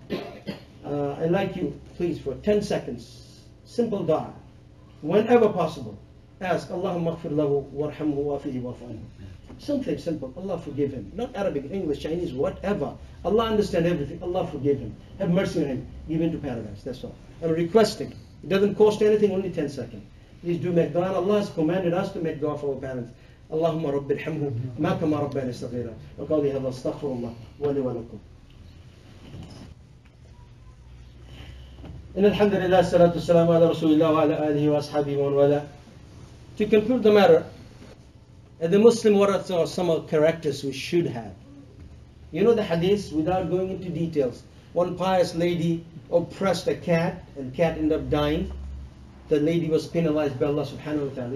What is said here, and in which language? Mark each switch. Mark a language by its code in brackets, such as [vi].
[en] I'd like you, please, for 10 seconds, simple dua, whenever possible, ask [ar] Allahumma aghfir lahu warhamhu wa'fihi wa'fu'anhu. [en] Something simple, Allah forgive him. Not Arabic, English, Chinese, whatever. Allah understand everything, Allah forgive him. Have mercy on him, give him to paradise, that's all. I'm requesting, it doesn't cost anything, only 10 seconds. Please do make dua, Allah has commanded us to make dua for our parents. [ar] اللهم رب ارحمه ما كما ربنا صغيرا وقال هذا استغفر الله ولي ولكم ان الحمد لله والصلاه والسلام على رسول الله وعلى اله واصحابه ومن والاه. [en] To conclude the matter, the Muslim warats are some of the characters we should have. You know the hadith, without going into details, one pious lady oppressed a cat and cat ended up dying. The lady was penalized by Allah subhanahu wa ta'ala.